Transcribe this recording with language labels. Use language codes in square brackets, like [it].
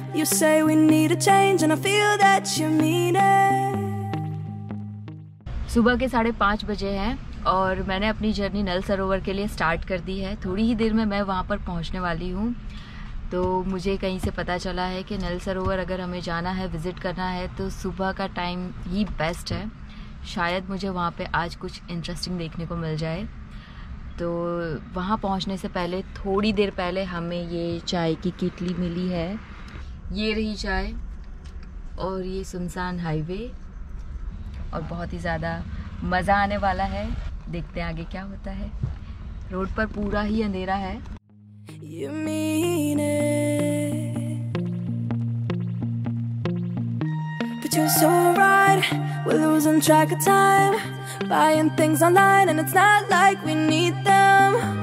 [hi] You say we need a change and I feel that you mean it. सुबह के 5:30 बजे हैं और मैंने अपनी जर्नी नल सरोवर के लिए स्टार्ट कर दी है. थोड़ी ही देर में मैं वहाँ पर पहुँचने वाली हूँ. तो मुझे कहीं से पता चला है कि नल सरोवर अगर हमें जाना है, विज़िट करना है, तो सुबह का टाइम ही बेस्ट है. शायद मुझे वहाँ पे आज कुछ इंटरेस्टिंग देखने को मिल जाए. तो वहाँ पहुँचने से पहले, थोड़ी देर पहले, हमें ये चाय की किटली मिली है. ये रही चाय और ये सुनसान हाईवे और बहुत ही ज़्यादा मज़ा आने वाला है. देखते हैं आगे क्या होता है. रोड पर पूरा ही अंधेरा है. [en] You mean it, but you're so right. We're losing track of time, buying things online, and it's not like we need them.